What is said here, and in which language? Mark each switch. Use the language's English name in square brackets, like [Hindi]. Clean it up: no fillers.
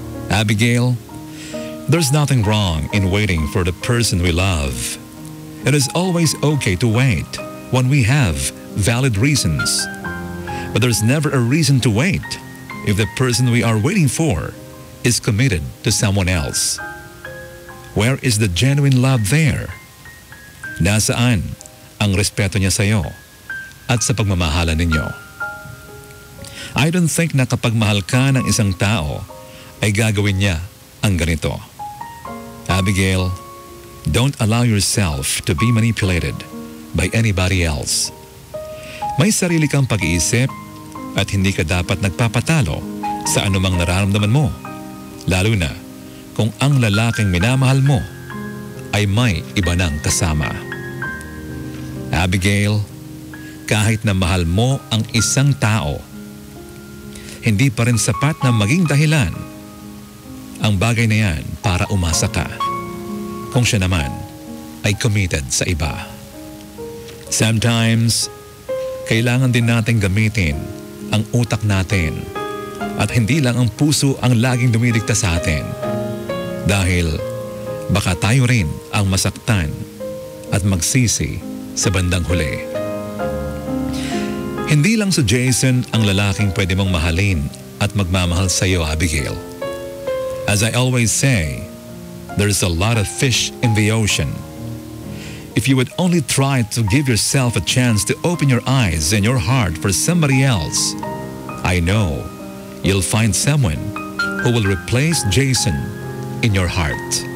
[English] Abigail, there's nothing wrong in waiting for the person we love. It is always okay to wait when we have valid reasons. But there's never a reason to wait if the person we are waiting for is committed to someone else. Where is the genuine love there? [Filipino] Nasaan ang respeto niya sa iyo at sa pagmamahala ninyo? [English] I don't think [Filipino] na kapag mahal ka ng isang tao ay gagawin niya ang ganito. [English] Abigail, don't allow yourself to be manipulated by anybody else. [Filipino] May sarili kang pag-iisip at hindi ka dapat nagpapatalo sa anumang nararamdaman mo, lalo na kung ang lalaking minamahal mo ay may iba nang kasama. Abigail, kahit na mahal mo ang isang tao, hindi pa rin sapat na maging dahilan ang bagay na yan para umasa ka kung siya naman ay committed sa iba. Sometimes, kailangan din natin gamitin ang utak natin at hindi lang ang puso ang laging dumidikta sa atin, dahil baka tayo rin ang masaktan at magsisi sa bandang huli. Hindi lang sa Jason ang lalaking pwede mong mahalin at magmamahal sa iyo, Abigail. [English] As I always say, there's a lot of fish in the ocean. If you would only try to give yourself a chance to open your eyes and your heart for somebody else, I know you'll find someone who will replace Jason in your heart.